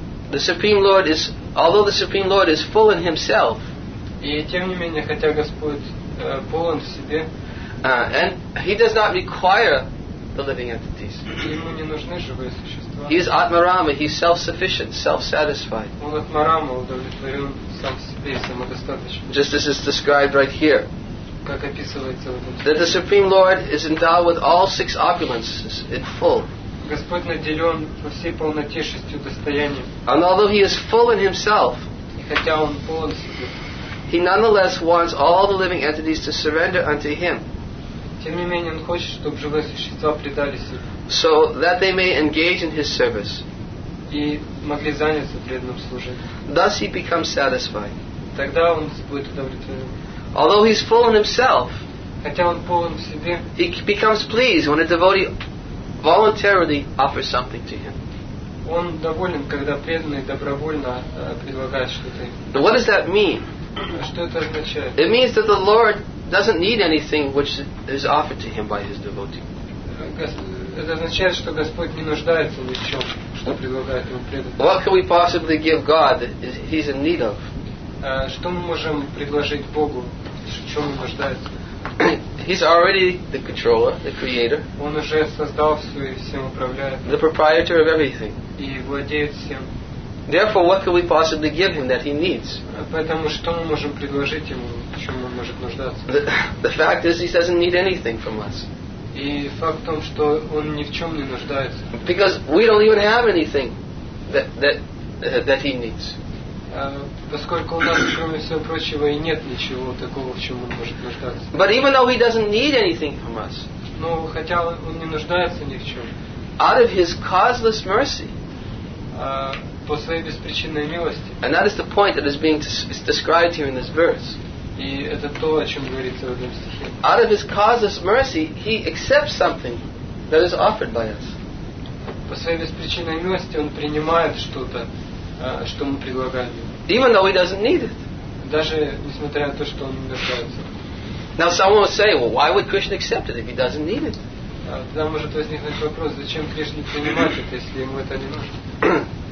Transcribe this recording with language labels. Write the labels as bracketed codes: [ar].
[en] The Supreme Lord is, although the Supreme Lord is full in Himself, [ru] и тем не менее, хотя Господь полон в себе, [en] and He does not require the living entities. [ru] Ему не нужны живые существа. [en] He is Atmarama. He is self-sufficient, self-satisfied. [ru] Он Атмарама, удовлетворен сам себе, самодостаточен. [en] Just as is described right here. [ru] Как описывается в этом. [en] That the Supreme Lord is endowed with all six opulences in full. [ru] Господь наделен во всей полноте шестью достоянием. [en] And although He is full in Himself, [ru] и хотя Он полон в себе, [en] He nonetheless wants all the living entities to surrender unto Him. [ru] Тем не менее, Он хочет, чтобы живые существа предались Ему. [en] So that they may engage in His service. [ru] И могли заняться преданным служением. [en] Thus He becomes satisfied. [ru] Тогда Он будет удовлетворен. [en] Although He is full in Himself, [ru] хотя Он полон в себе, [en] He becomes pleased when a devotee voluntarily offer something to Him. [ru] Он доволен, когда преданный добровольно предлагает что-то. [en] What does that mean? [ru] Что это означает? [en] It means that the Lord doesn't need anything which is offered to Him by His devotee. [ru] Это означает, что Господь не нуждается ни в чем, что предлагает Ему преданный. [en] What can we possibly give God that He's in need of? [ru] Что мы можем предложить Богу, в чем Он нуждается? [en] He's already the controller, the creator. [ru] Он уже создал все и всем управляет. [en] The proprietor of everything. [ru] И владеет всем. [en] Therefore, what can we possibly give Him that He needs? [ru] Поэтому что мы можем предложить Ему, в чем Он может нуждаться? [en] The fact is, He doesn't need anything from us. [ru] И факт в том, что Он ни в чем не нуждается. [en] Because we don't even have anything that He needs. [ru] Поскольку у нас, кроме всего прочего, и нет ничего такого, в чем он может нуждаться. [en] But even though He doesn't need anything from us, [ru] но хотя он не нуждается ни в чем, [en] out of His causeless mercy, [ru] по своей беспричинной милости, [en] and that is the point that is being described here in this verse, [ru] и это то, о чем говорится в этом стихе, [en] out of His causeless mercy, He accepts something that is offered by us. [ru] По своей беспричинной милости он принимает что-то, что мы предлагаем ему. [en] Even though he doesn't need it. [ru] Даже несмотря на то, что он не нуждается. [en] Now someone will say, well, why would Krishna accept it if he doesn't need it? [ru] Тогда может возникнуть вопрос, зачем Кришне принимать это, если ему это не нужно?